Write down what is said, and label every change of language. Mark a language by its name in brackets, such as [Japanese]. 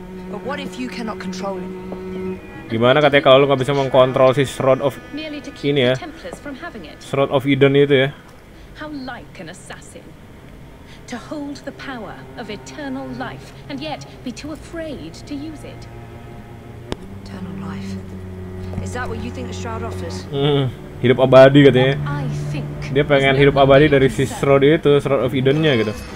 [English] But what if you cannot control it? [Indonesian] Gimana katanya kalau lu nggak bisa mengkontrol si Shroud of ini ya? Shroud of Eden itu ya? [English] How like an assassin to hold the power of eternal life and yet be too afraid to use it. Eternal life. Is that what you think the Shroud offers? [Indonesian] Hidup abadi katanya. Dia pengen hidup abadi dari si Shroud itu, Shroud of Eden-nya gitu.